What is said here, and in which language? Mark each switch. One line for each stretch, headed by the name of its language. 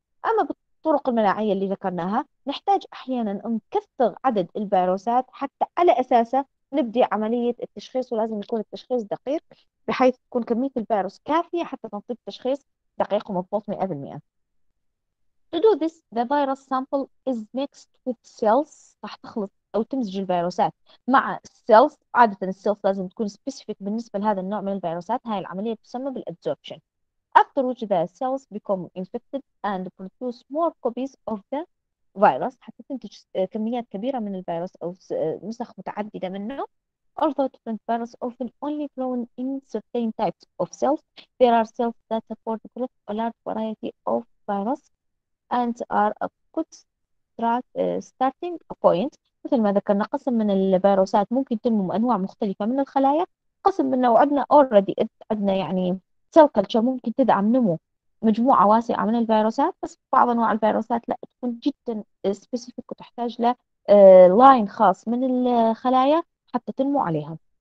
Arabic: اما الطرق المناعية اللي ذكرناها نحتاج أحيانا نكثر عدد الفيروسات حتى على أساسه نبدأ عملية التشخيص، ولازم يكون التشخيص دقيق بحيث تكون كمية الفيروس كافية حتى نطيب تشخيص دقيق ومضبوط 100%.
English: To do this, the virus sample is mixed with cells.
Arabic: راح تخلط أو تمزج الفيروسات مع cells. عادة cells لازم تكون specific بالنسبة لهذا النوع من الفيروسات. هاي العملية تسمى بالadsorption.
English: After which the cells become infected and produce more copies of the virus
Arabic: حتى تنتج كميات كبيرة من الفيروس أو نسخ متعددة منه.
English: Although different viruses often only grown in certain types of cells, there are cells that support growth of a large variety of virus and are a good starting point.
Arabic: مثل ما ذكرنا قسم من الفيروسات ممكن تنمو أنواع مختلفة من الخلايا، قسم منه وعدنا already عدنا يعني سيل كلتشر ممكن تدعم نمو مجموعة واسعة من الفيروسات، بس بعض أنواع الفيروسات لا تكون جدا سبيسيفيك وتحتاج ل لاين خاص من الخلايا حتى تنمو عليها.